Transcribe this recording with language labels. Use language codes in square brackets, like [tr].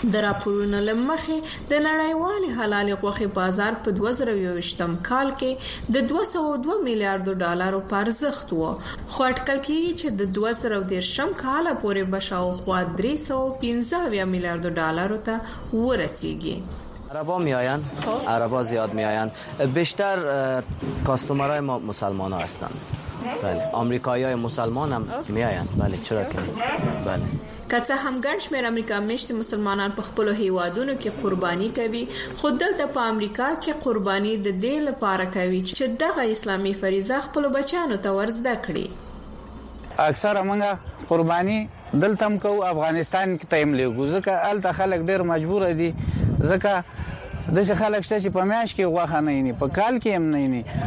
[ps] د راپورونو له مخې د نړیوالې حلال غوښې بازار په 2020 کال کې د 202 میلیارد ډالرو په ارزښت و، خو اټکل کېږي چې د 2030 کال پورې به شاوخوا 315 میلیارد ډالرو ته ورسیږي. [fa] عربا میآیند، عربا زیاد میآیند. بیشتر کاستومرای ما مسلمان ها هستند. بله، آمریکایی های مسلمان هم میآیند. بله، چرا که بله. [ps] کته هم گنش میر امریکا میشت مسلمانان په خپل هیوادونو کې قربانی کوي، خود دلته په امریکا کې قربانی د دې لپاره کوي چې دغه اسلامي فریضه خپل بچانو ته ورزده کړي. اکثره مونږه قربانی دلته هم کوو، افغانستان کې تیم لګو، ځکه الته خلک ډیر مجبور دي، ځکه دغه خلک شته چې په میاش کې غوخه نه ني، په کال کې هم نه ني.